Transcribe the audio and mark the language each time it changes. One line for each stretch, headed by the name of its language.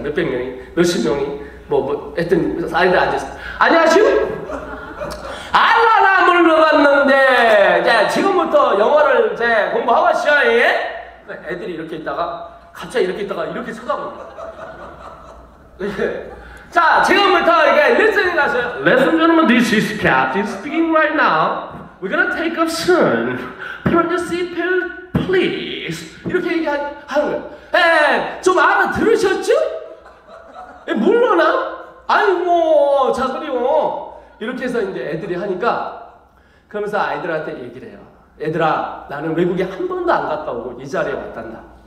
Korean: 몇백 명이 몇십 명이 뭐 하여튼 아이들 앉아 있어. 안녕하세요. 알라라 물러갔는데 이제 지금부터 영어를 이제 공부하고 싶어요. 애들이 이렇게 있다가 갑자기 이렇게 있다가 이렇게 쳐다봅니다. 자, 지금부터 이게 listening 하세요.
English: Ladies and gentlemen, this is Captain speaking right now. We're gonna take off soon. From the seatbelt, please.
Korean: 이렇게 얘기하는 거예요. 에, 좀 알아 들으셨죠? 에, 물러나? 아이고, 자그리워. 이렇게 해서 이제 애들이 하니까, 그러면서 아이들한테 얘기를 해요. 애들아, 나는 외국에 한 번도 안 갔다 오고 이 자리에 왔단다.